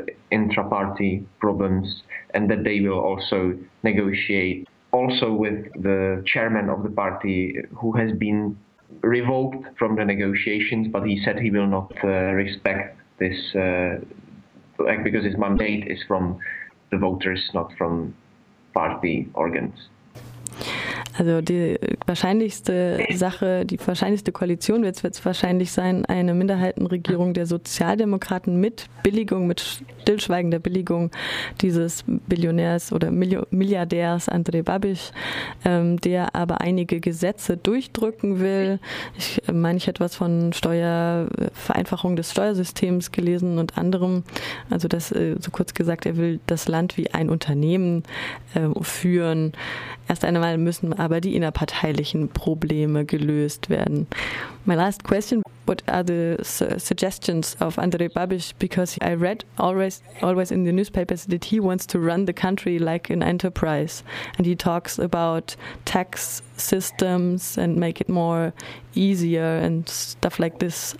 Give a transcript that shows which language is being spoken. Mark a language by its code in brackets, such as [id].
[en] intra-party problems, and that they will also negotiate also with the chairman of the party, who has been revoked from the negotiations, but he said he will not respect this, because his mandate is from the voters, not from party organs. [de] Also die wahrscheinlichste Sache, die wahrscheinlichste Koalition wird es wahrscheinlich sein, eine Minderheitenregierung der Sozialdemokraten mit Billigung, mit stillschweigender Billigung dieses Billionärs oder Milliardärs Andrej Babiš, der aber einige Gesetze durchdrücken will. Ich meine, ich hätte was von Steuervereinfachung des Steuersystems gelesen und anderem. Also das so kurz gesagt, er will das Land wie ein Unternehmen führen. Erst einmal müssen aber die innerparteilichen Probleme gelöst werden. [en] My last question, what are the suggestions of Andrej Babiš? Because I read always in the newspapers that he wants to run the country like an enterprise. And he talks about tax systems and make it more easier and stuff like this.